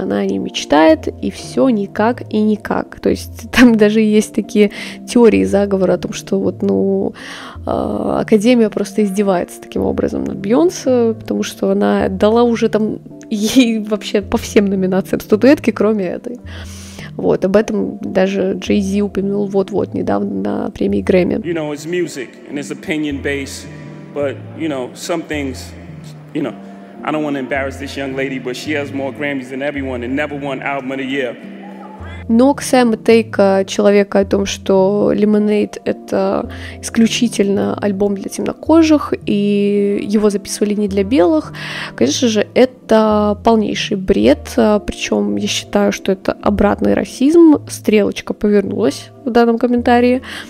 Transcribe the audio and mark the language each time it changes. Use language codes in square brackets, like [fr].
[ru] Она о ней мечтает, и все никак и никак. То есть там даже есть такие теории заговора о том, что вот, ну, Академия просто издевается таким образом над Бейонсе, потому что она дала уже там ей вообще по всем номинациям статуэтки, кроме этой. Вот, об этом даже Джей Зи упомянул вот-вот недавно на премии Грэмми. [en] You know, it's music and it's opinion based, but, you know, some things, you know, I don't want to embarrass this young lady, but she has more Grammys than everyone and never won Album of the Year. [ru] Но к Сэму Тейка, человека о том, что Lemonade — это исключительно альбом для темнокожих, и его записывали не для белых, конечно же, это полнейший бред, причем я считаю, что это обратный расизм, стрелочка повернулась в данном комментарии.